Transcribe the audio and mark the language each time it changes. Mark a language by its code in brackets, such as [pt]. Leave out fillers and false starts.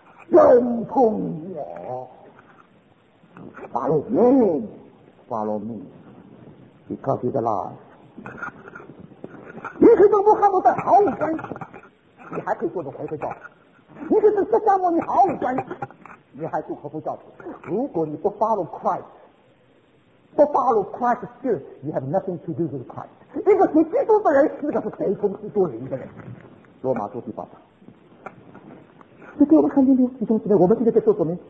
[zh] 跟从我 ， [en] follow me。” Follow me, because he's alive. [zh] 你可以跟穆罕默德毫无关系，你还可以做个回归教徒。你可以跟释迦牟尼毫无关系，你还做回归教徒。如果你不 [en] follow Christ, 不 follow Christ's spirit, you have nothing to do with Christ. [zh] 一个属基督的人，那个是随从基督灵的人。罗马书第八章。这对我们看见没有？弟兄姊妹，我们今天在做什么？